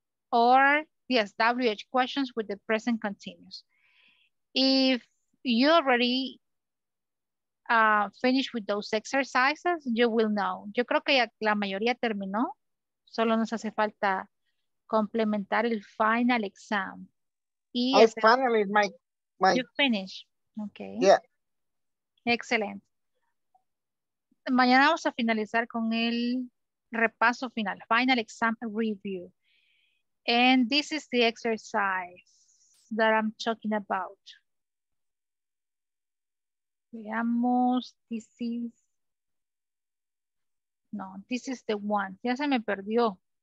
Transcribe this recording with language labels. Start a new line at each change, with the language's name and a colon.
English: Or, yes, WH questions with the present continuous. If you already finished with those exercises, you will know.
Spanish: Yo creo que ya la mayoría terminó. Solo nos hace falta complementar el final exam. Y
English: you finish. Okay. Yeah. Excellent.
Spanish: Mañana vamos a finalizar con el repaso final.
English: Final exam review. And this is the exercise that I'm talking about.
Spanish: Veamos.
English: This is the one.
Spanish: Ya se me perdió.